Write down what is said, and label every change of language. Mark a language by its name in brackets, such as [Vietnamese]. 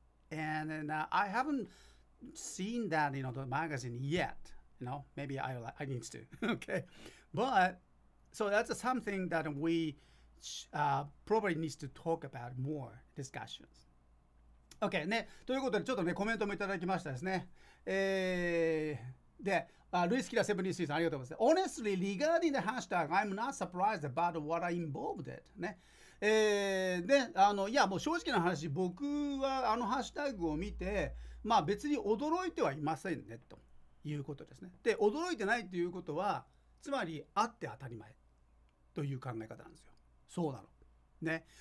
[English] And then, I haven't seen that, you know, the magazine yet. You know, maybe I need to. Okay. But so that's something that we probably need to talk about more discussions. Okay. [Japanese] ね、ということでちょっとねコメントもいただきましたですね。で、ルイスキラー73さんありがとうございます。 [English] Honestly, regarding the hashtag, I'm not surprised about what I involved it. [Japanese] ね。で、あのいやもう正直な話、僕はあのハッシュタグを見て、まあ別に驚いてはいませんねということですね。で、驚いてないということは、つまりあって当たり前という考え方なんですよ。そうなの。ね。